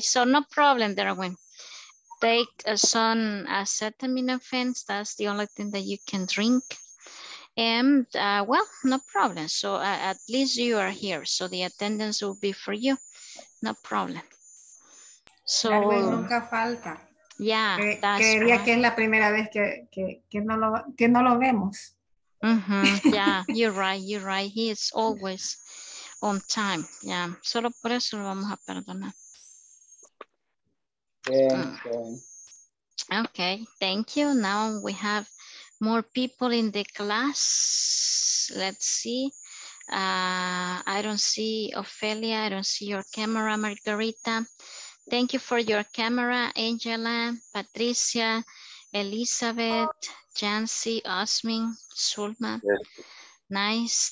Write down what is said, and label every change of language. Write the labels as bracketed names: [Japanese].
[English] So no problem, Darwin. Take some acetaminophen, that's the only thing that you can drink. And well, no problem. So at least you are here, so the attendance will be for you. No problem. [Spanish] So Darwin nunca falta. [English] Yeah, [Spanish] quería que es la primera vez que no lo vemos. [English] Mm-hmm. Yeah, you're right. He is always on time. [Spanish] Yeah, solo por eso lo vamos a perdonar. [English] Okay, thank you. Now we have more people in the class. Let's see. I don't see Ophelia. I don't see your camera, Margarita. Thank you for your camera, Angela, Patricia, Elizabeth, Jancy, Osmin, Sulma. Yes. Nice.